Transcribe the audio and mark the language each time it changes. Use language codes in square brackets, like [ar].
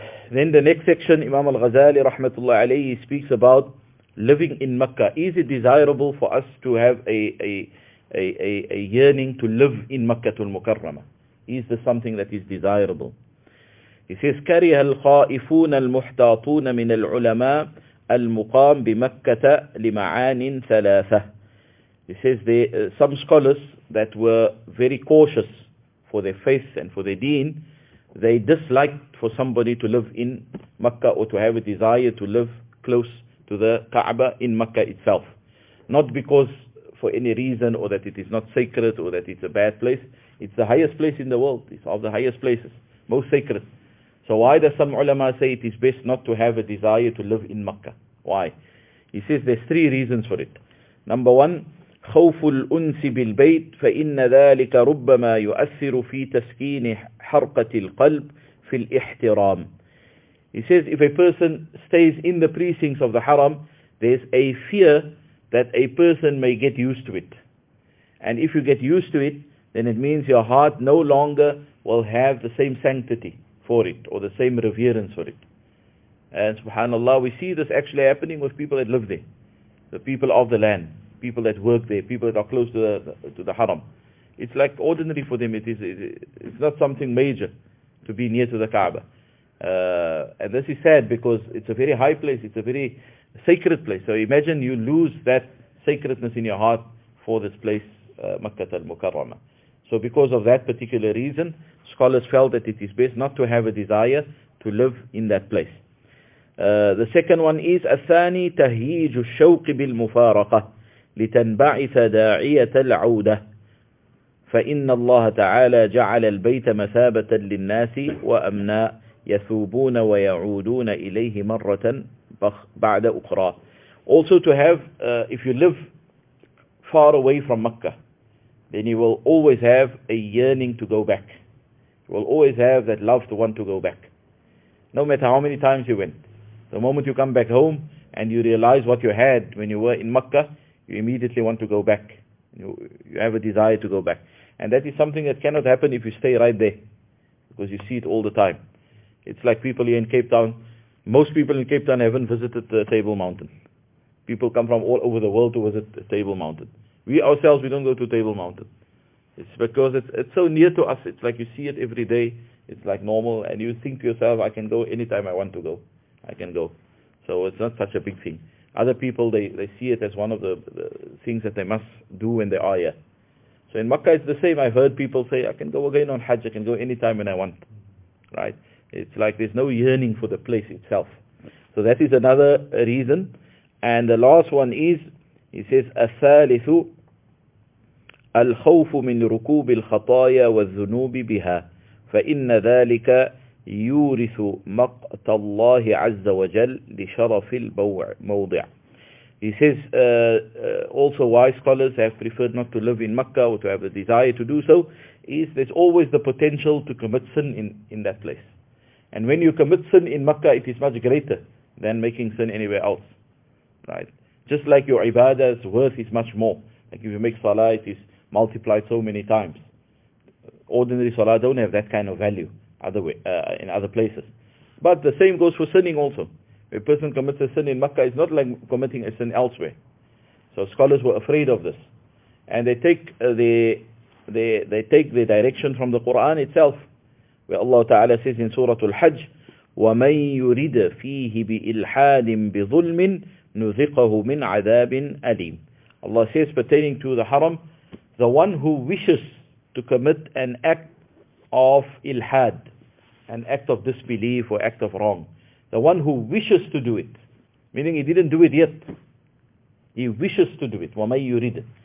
[en] Then the next section, Imam al-Ghazali rahmatullah alayhi, speaks about living in Mecca. Is it desirable for us to have a yearning to live in Makkah al-Mukarramah? Is this something that is desirable? He says, [ar] كره الخائفون المحتاطون من العلماء المقام بمكة لمعان ثلاثة. [en] He says, some scholars that were very cautious for their faith and for their deen, they disliked for somebody to live in Mecca or to have a desire to live close to the Kaaba in Mecca itself. Not because for any reason or that it is not sacred or that it's a bad place. It's the highest place in the world. It's of the highest places, most sacred. So why does some ulama say it is best not to have a desire to live in Mecca? Why? He says there's three reasons for it. [ar] Number one, خوف الأنس بالبيت فإن ذلك ربما يؤثر في تسكين حرقة القلب في الاحترام. [en] He says, if a person stays in the precincts of the haram, there's a fear that a person may get used to it. And if you get used to it, then it means your heart no longer will have the same sanctity for it or the same reverence for it. And subhanAllah, we see this actually happening with people that live there, the people of the land, people that work there, people that are close to the haram. It's like ordinary for them. It's not something major to be near to the Kaaba. And this is sad because it's a very high place. It's a very sacred place. So imagine you lose that sacredness in your heart for this place, Makkah al-Mukarramah. So because of that particular reason, scholars felt that it is best not to have a desire to live in that place. The second one is [ar] الثاني تهيج الشوق بالمفارقة لتنبعث داعية العودة فإن الله تعالى جعل البيت مثابة للناس وأمناء يثوبون ويعودون إليه مرة بعد أخرى. [en] Also to have, if you live far away from Mecca, then you will always have a yearning to go back. You will always have that love to want to go back. No matter how many times you went. The moment you come back home and you realize what you had when you were in Mecca, you immediately want to go back. You have a desire to go back. And that is something that cannot happen if you stay right there, because you see it all the time. It's like people here in Cape Town. Most people in Cape Town haven't visited the Table Mountain. People come from all over the world to visit the Table Mountain. We ourselves, we don't go to Table Mountain. It's because it's so near to us. It's like you see it every day. It's like normal. And you think to yourself, I can go anytime I want to go. I can go. So it's not such a big thing. Other people, they see it as one of the things that they must do when they are here. So in Makkah, it's the same. I've heard people say, I can go again on Hajj. I can go anytime when I want. Right? It's like there's no yearning for the place itself. So that is another reason. And the last one is, he says, [ar] الثالث الخوف من ركوب الخطايا والذنوب بها فإن ذلك يورث مقت الله عز وجل لشرف الموضع. [en] He says, also why scholars have preferred not to live in Mecca or to have a desire to do so, is there's always the potential to commit sin in that place. And when you commit sin in Mecca, it is much greater than making sin anywhere else. Right? Just like your ibadah's worth is much more. Like if you make salah, it is multiplied so many times. Ordinary salah don't have that kind of value other way, in other places. But the same goes for sinning also. A person commits a sin in Mecca, it's not like committing a sin elsewhere. So scholars were afraid of this. And they take the direction from the Quran itself. Where Allah Ta'ala says in Surah Al-Hajj, [ar] وَمَنْ يُرِدَ فِيهِ بِإِلْحَادٍ بِظُلْمٍ نُذِقَهُ مِنْ عَذَابٍ أَلِيمٍ. [en] Allah says pertaining to the haram, the one who wishes to commit an act of ilhad, an act of disbelief or act of wrong, the one who wishes to do it, meaning he didn't do it yet, he wishes to do it, [ar] وَمَنْ يُرِدَ.